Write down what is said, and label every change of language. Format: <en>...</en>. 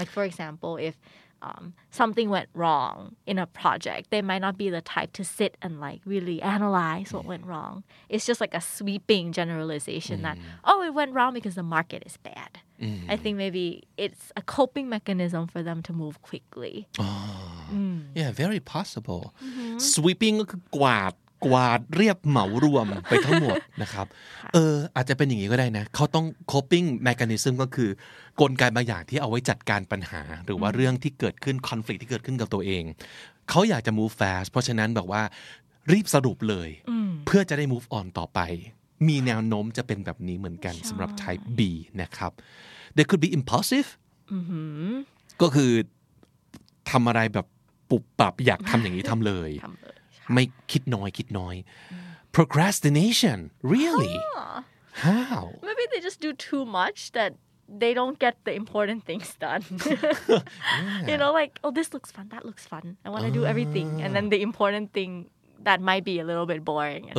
<en>Like for example, ifsomething went wrong in a project, they might not be the type to sit and like really analyze what went wrong. It's just like a sweeping generalization that, oh, it went wrong because the market is bad. I think maybe it's a coping mechanism for them to move quickly. Yeah, very possible.</en> <th>Sweeping กวาดเรียบเหมารวมไปทั้งหมดนะครับเอออาจจะเป็นอย่างนี้ก็ได้นะเขาต้อง coping mechanism ก็คือกลไกบางอย่างที่เอาไว้จัดการปัญหาหรือว่าเรื่องที่เกิดขึ้น conflict ที่เกิดขึ้นกับตัวเองเขาอยากจะ move fast เพราะฉะนั้นแบบว่า รีบสรุปเลยเพื่อจะได้ move on ต่อไปมีแนวโน้มจะเป็นแบบนี้เหมือนกันสำหรับ type B นะครับ</th> <en>they could be impulsive</en> <th>ก็คือทำอะไรแบบปุบปับอยากทำอย่างนี้ทำเลยไม่คิดน้อยคิดน้อย</th> <en>procrastination really how maybe they just do too much that they don't get the important things done you know like oh this looks fun that looks fun I want to do everything and then the important thing that might be a little bit boring</en>